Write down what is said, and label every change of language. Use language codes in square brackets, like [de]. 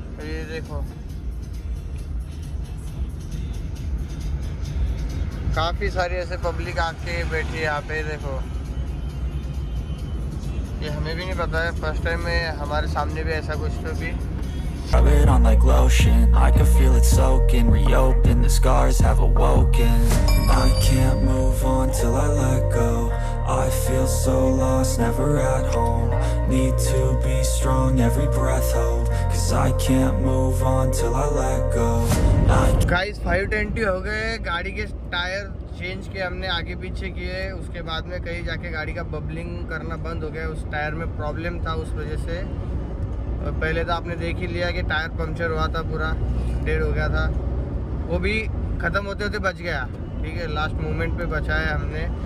[hi] ये देखो काफ़ी सारी ऐसे पब्लिक आके बैठी है यहाँ पे, देखो ये हमें भी नहीं पता है, फर्स्ट टाइम में हमारे सामने भी ऐसा कुछ तो भी। [en] Rub it on like lotion, I can feel it soaking. Reopen, the scars have awoken. I can't move on till I let go. I feel so lost, never at home. Need to be strong, every breath hold. Cause I can't move on till I let go. [hi] Guys, 520 हो गए, गाड़ी के tyre change किए हमने, आगे पीछे किए, उसके बाद में कहीं जाके गाड़ी का बबलिंग करना बंद हो गया, उस टायर में प्रॉब्लम था उस वजह से। पहले तो आपने देख ही लिया कि टायर पंक्चर हुआ था, पूरा डेड हो गया था, वो भी ख़त्म होते होते बच गया, ठीक है, लास्ट मोमेंट पे बचा है हमने।